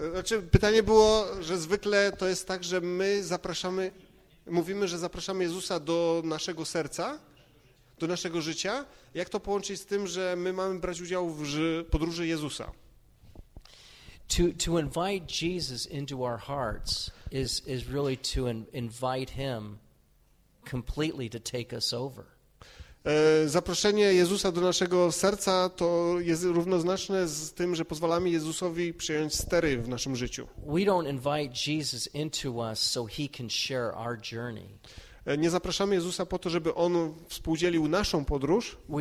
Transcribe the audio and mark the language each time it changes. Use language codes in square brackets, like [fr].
[pl] Znaczy, pytanie było, że zwykle to jest tak, że my zapraszamy, mówimy, że zapraszamy Jezusa do naszego serca, do naszego życia. Jak to połączyć z tym, że my mamy brać udział w podróży Jezusa? [en] To invite Jesus into our hearts is really to invite him completely to take us over. [pl] Zaproszenie Jezusa do naszego serca to jest równoznaczne z tym, że pozwalamy Jezusowi przejąć stery w naszym życiu. [en] We don't invite Jesus into us so he can share our journey. [pl] Nie zapraszamy Jezusa po to, żeby On współdzielił naszą podróż.